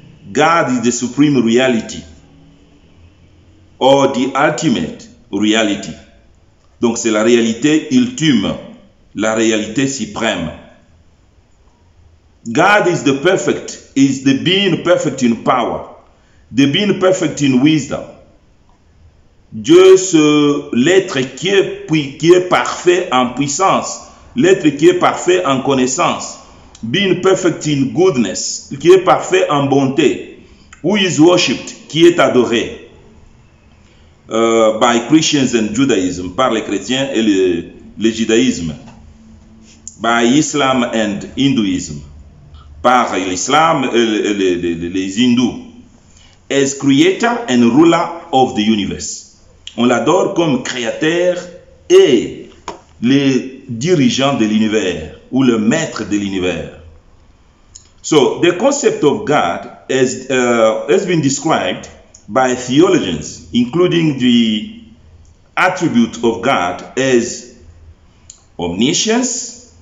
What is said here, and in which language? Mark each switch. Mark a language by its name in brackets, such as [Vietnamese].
[English] God is the supreme reality or the ultimate reality. [French] Donc, c'est la réalité ultime, la réalité suprême. [English] God is the perfect, is the being perfect in power, the being perfect in wisdom. [French] Dieu, c'est l'être qui est parfait en puissance, l'être qui est parfait en connaissance, [English] being perfect in goodness, [French] qui est parfait en bonté. [English] Who is worshipped, [French] qui est adoré [English] by Christians and Judaism, [French] par les chrétiens et le judaïsme. [English] by Islam and Hinduism, [French] par l'islam et les hindous, [English] as creator and ruler of the universe. [French] On l'adore comme créateur et le dirigeant de l'univers ou le maître de l'univers. [English] So, the concept of God has been described by theologians, including the attribute of God as omniscience.